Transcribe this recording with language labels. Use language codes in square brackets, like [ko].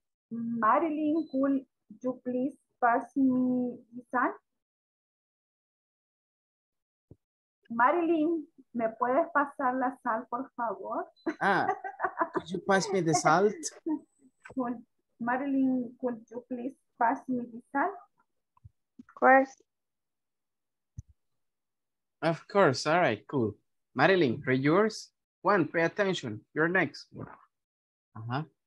[en] Marilyn, could you please pass me the sign? [es] Marilyn, ¿me puedes pasar la sal, por favor? [en] Ah, could you pass me the salt? Marilyn, could you please pass me the sal? Of course. Of course, all right, cool. Marilyn, read yours. Juan, pay attention, you're next. Uh-huh.